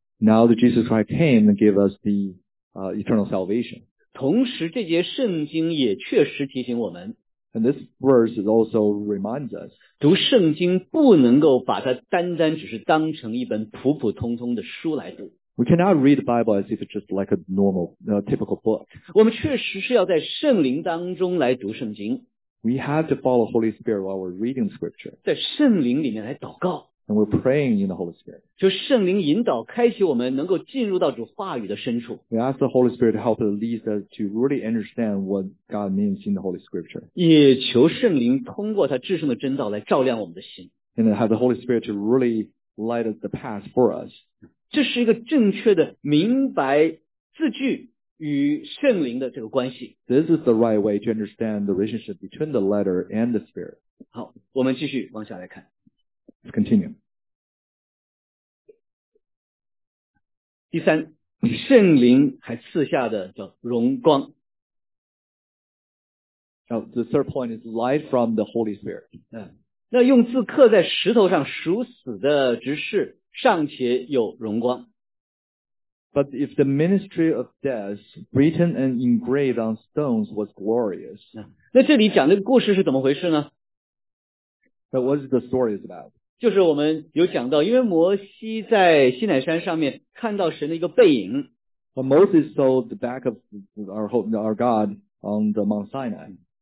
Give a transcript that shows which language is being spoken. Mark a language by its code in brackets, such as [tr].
[en] Now that Jesus Christ came and gave us the eternal salvation. [zh] 同时，这节圣经也确实提醒我们。 [en] And this verse also reminds us. [zh] 读圣经不能够把它单单只是当成一本普普通通的书来读。 [en] We cannot read the Bible as if it's just like a normal, typical book. [zh] 我们确实是要在圣灵当中来读圣经。 [en] We have to follow Holy Spirit while we're reading scripture. [zh] 在圣灵里面来祷告。 [en] And we're praying in the Holy Spirit. [zh] 就圣灵引导开启我们能够进入到主话语的深处。 [en] We ask the Holy Spirit to help us lead us to really understand what God means in the Holy Scripture. [zh] 也求圣灵通过他至圣的真道来照亮我们的心。 [en] And have the Holy Spirit to really light the path for us. [zh] 这是一个正确的明白字句与圣灵的这个关系。 [en] This is the right way to understand the relationship between the letter and the spirit. [zh] 好，我们继续往下来看。 [en] Let's continue. [zh] 第三，圣灵还赐下的叫荣光。 [en] Now, the third point is light from the Holy Spirit. [zh] 那用字刻在石头上赎死的执事尚且有荣光。 [en] But if the ministry of death written and engraved on stones was glorious. [zh] 那这里讲的故事是怎么回事呢？ [en] But what is the story is about? [zh] 就是我们有讲到，因为摩西在西乃山上面看到神的一个背影。 [en] But Moses saw the back of our God on the Mount Sinai.